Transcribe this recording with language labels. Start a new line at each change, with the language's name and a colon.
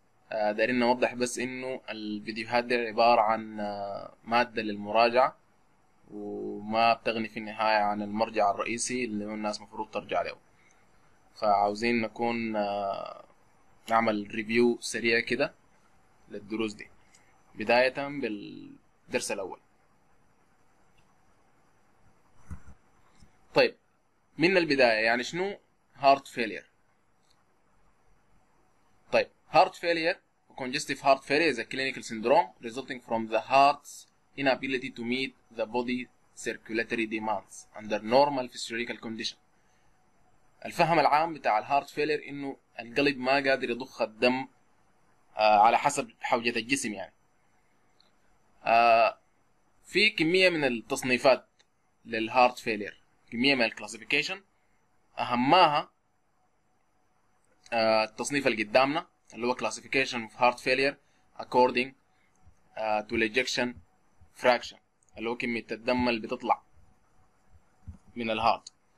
Arabic: دارين نوضح بس إنه الفيديوهات دي عبارة عن مادة للمراجعة، وما بتغني في النهاية عن المرجع الرئيسي اللي الناس مفروض ترجع له. فعاوزين نكون نعمل ريفيو سريع كده للدروس دي، بداية بالدرس الأول. طيب، من البداية يعني شنو
English: Heart failure? طيب، heart failure congestive heart failure is a clinical syndrome resulting from the heart's inability to meet the body circulatory demands under normal physiological condition.
Arabic: الفهم العام بتاع الهارت فيلير انه القلب ما قادر يضخ الدم على حسب حوجة الجسم. يعني في كمية من التصنيفات للهارت فيلير، كمية من الكلاسيفيكيشن، أهمها التصنيف اللي قدامنا اللي هو
English: classification of heart failure according to الاجكشن fraction,
Arabic: اللي هو كمية الدم اللي بتطلع من الهارت.